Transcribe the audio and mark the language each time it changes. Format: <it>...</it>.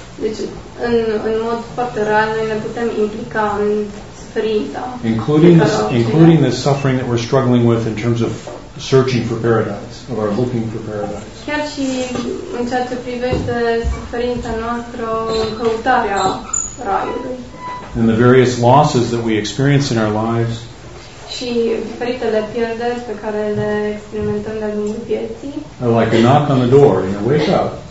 <ro>Deci, în mod foarte real, noi ne putem implica în</ro> <en>including the suffering that we're struggling with in terms of searching for paradise, of our looking for paradise.</en> <ro>Chiar și în ceea ce privește suferința noastră, căutarea raiului.</ro> <en>And the various losses that we experience in our lives.</en> <ro>Și diferitele pierderi pe care le experimentăm de-a lungul vieții.</ro> <en>Are like a knock on the door, you know, wake up.</en>